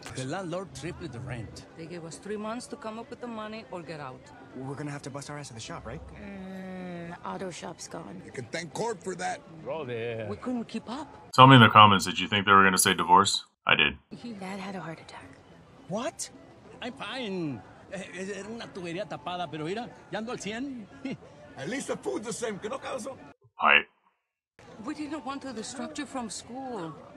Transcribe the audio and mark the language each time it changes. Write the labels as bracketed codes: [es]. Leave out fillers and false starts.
[en] The landlord tripled the rent. They gave us 3 months to come up with the money or get out. We're gonna have to bust our ass at the shop, right? Auto shop's gone. You can thank court for that. Roll there. We couldn't keep up. Tell me in the comments, did you think they were gonna say divorce? I did. Dad had a heart attack. What? I'm fine. [es] Era una tubería tapada, pero mira, ya ando al 100. [en] At least the food's the same, [es] que no caso. [en] Pipe. We didn't want to distract you from school.